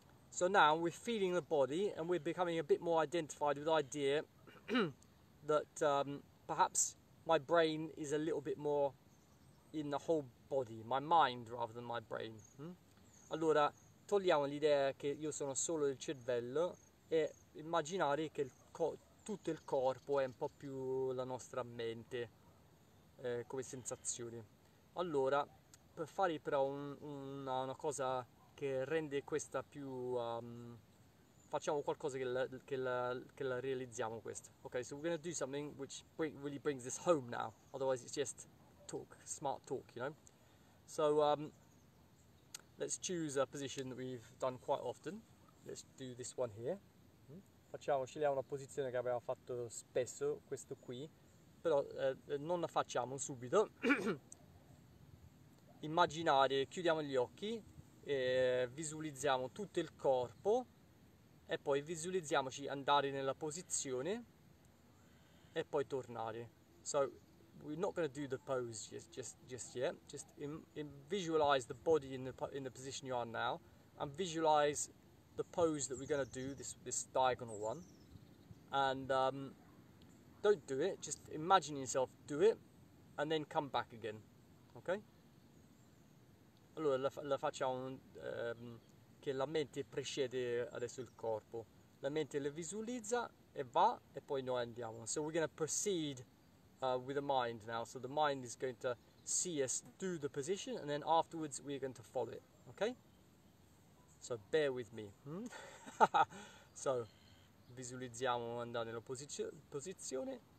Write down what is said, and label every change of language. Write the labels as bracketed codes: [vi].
[en] So now we're feeling the body and we're becoming a bit more identified with the idea that perhaps my brain is a little bit more in the whole body, my mind rather than my brain. [it] Allora, togliamo l'idea che io sono solo il cervello e immaginare che tutto il corpo è un po' più la nostra mente, come sensazioni. Allora, per fare però una cosa che rende questa più... facciamo qualcosa che la realizziamo questo. [en] Okay, so we're going to do something which really brings this home now. Otherwise it's just talk, smart talk, you know. So let's choose a position that we've done quite often. Let's do this one here. [it] Facciamo, scegliamo una posizione che abbiamo fatto spesso, questo qui. Però non la facciamo subito. Immaginare, chiudiamo gli occhi e visualizziamo tutto il corpo. E poi visualizziamoci andare nella posizione e poi tornare. [en] So we're not going to do the pose just yet. Just visualize the body in the position you are now and visualize the pose that we're going to do, this diagonal one. And don't do it, just imagine yourself do it and then come back again. Okay? [it] Allora la facciamo che la mente precede adesso il corpo. La mente le visualizza e va e poi noi andiamo. [en] So we're going to proceed with the mind now. So the mind is going to see us do the position and then afterwards we're going to follow it. Okay? So bear with me. [it] So visualizziamo andare nella posizione.